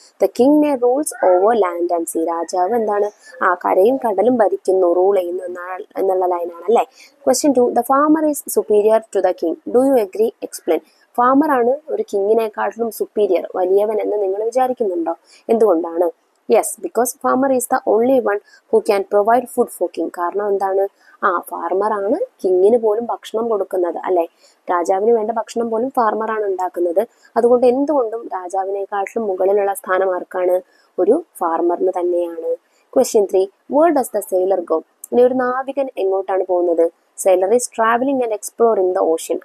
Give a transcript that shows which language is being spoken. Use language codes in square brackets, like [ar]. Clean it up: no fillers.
[en] The king may rules over land and sea. [ml] രാജാവ് എന്താണ്, ആ കരയും കടലും ഭരിക്കുന്നു, റൂൾ ചെയ്യുന്നു എന്നുള്ള ലൈനാണ് അല്ലേ. [en] Question two, the farmer is superior to the king. Do you agree, explain. [ml] ഫാർമറാണ് ഒരു കിങ്ങിനെക്കാട്ടിലും സുപ്പീരിയർ, വലിയവൻ എന്ന് നിങ്ങൾ വിചാരിക്കുന്നുണ്ടോ? എന്തുകൊണ്ടാണ്? [en] Yes, because farmer is the only one who can provide food for king. [ml] കാരണം എന്താണ്? ആ ഫാർമറാണ് കിങ്ങിന് പോലും ഭക്ഷണം കൊടുക്കുന്നത് അല്ലേ. രാജാവിന് വേണ്ട ഭക്ഷണം പോലും ഫാർമറാണ് ഉണ്ടാക്കുന്നത്. അതുകൊണ്ട് എന്തുകൊണ്ടും രാജാവിനെക്കാട്ടിലും മുകളിലുള്ള സ്ഥാനം ആർക്കാണ്? ഒരു ഫാർമറിന് തന്നെയാണ്. [en] Question three, where does the sailor go. [ml] ഇനി ഒരു നാവികൻ എങ്ങോട്ടാണ് പോകുന്നത്? [en] Sailor is travelling and exploring the ocean.